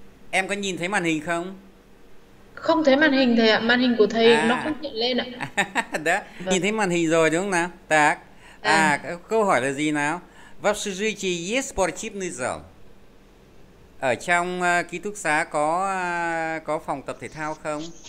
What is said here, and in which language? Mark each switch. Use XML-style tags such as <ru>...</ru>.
<vi>Em có nhìn thấy màn hình không? không thấy màn hình thầy ạ, màn hình của thầy nó không À. hiện lên ạ. Đó. Nhìn thấy màn hình rồi đúng không nào? Tạc. À. À, câu hỏi là gì nào?</vi> <ru>В общежитии есть спортивный зал?</ru> <vi>Ở trong ký túc xá có phòng tập thể thao không?</vi>